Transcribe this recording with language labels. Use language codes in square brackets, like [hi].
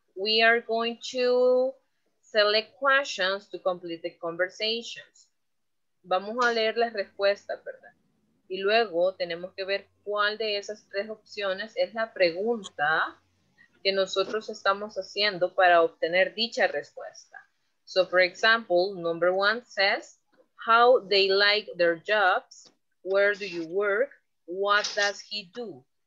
[en] We are going to select questions to complete the conversations. [es] Vamos a leer las respuestas, ¿verdad? Y luego tenemos que ver cuál de esas tres opciones es la pregunta que nosotros estamos haciendo para obtener dicha respuesta. [en] So, for example, number one says, how they like their jobs, where do you work, what does he do?